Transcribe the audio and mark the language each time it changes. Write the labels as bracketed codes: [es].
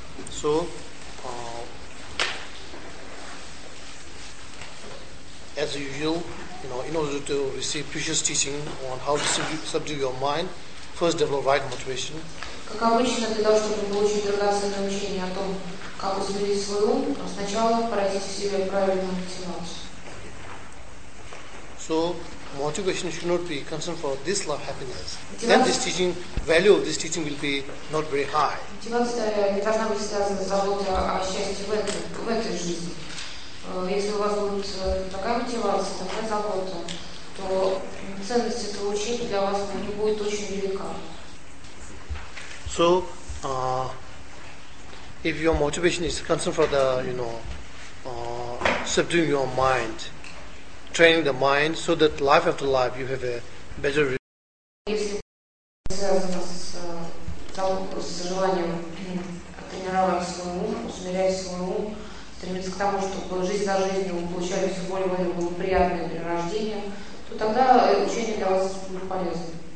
[en] So, as usual, you know, in order to receive precious teaching on how to subdue your mind, first develop right motivation. [ru] Как обычно, для того, чтобы получить драгоценное учение о том, как усмирить свой ум, сначала пройдите в себе правильную мотивацию. [en] So, motivation should not be concerned for this life happiness. Мотивация, then this teaching, value of this teaching will be not very high. [ru] Мотивация не должна быть связана с заботой о счастье в этой жизни. Если у вас будет такая мотивация, такая забота, то ценность этого учения для вас не будет очень велика. [en] So, if your motivation is concerned for the, you know, subduing your mind, training the mind, so that life after life you have a better result. If it is [ru] связано с желанием тренировать свой ум, то тогда ценность этого учения стремится к тому, чтобы жизнь за жизнью получали все более благоприятные при рождении, то тогда учение для вас будет полезным.